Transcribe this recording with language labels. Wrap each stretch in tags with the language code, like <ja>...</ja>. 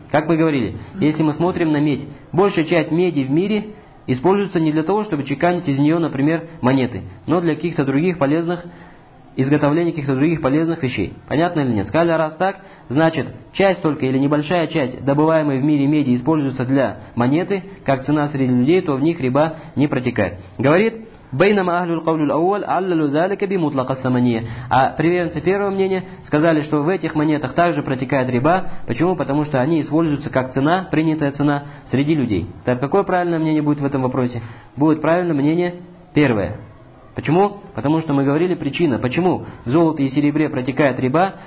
<ru>Как мы говорили, если мы смотрим на медь, большая часть меди в мире используется не для того, чтобы чеканить из нее, например, монеты, но для каких-то других полезных, изготовления каких-то других полезных вещей. Понятно или нет? Сказали, раз так, значит, часть только или небольшая часть добываемой в мире меди используется для монеты, как цена среди людей, то в них риба не протекает. Говорит,</ru> <ar>بينما أهل القول الأول عللوا ذلك بمطلق الثمانية.</ar> <ru>А приверженцы первого мнения сказали, что в этих монетах также протекает риба. Почему? Потому что они используются как цена, принятая цена среди людей. Так какое правильное мнение будет в этом вопросе? Будет правильное мнение первое. Почему? Потому что мы говорили причина. Почему в золоте и серебре протекает риба?</ru>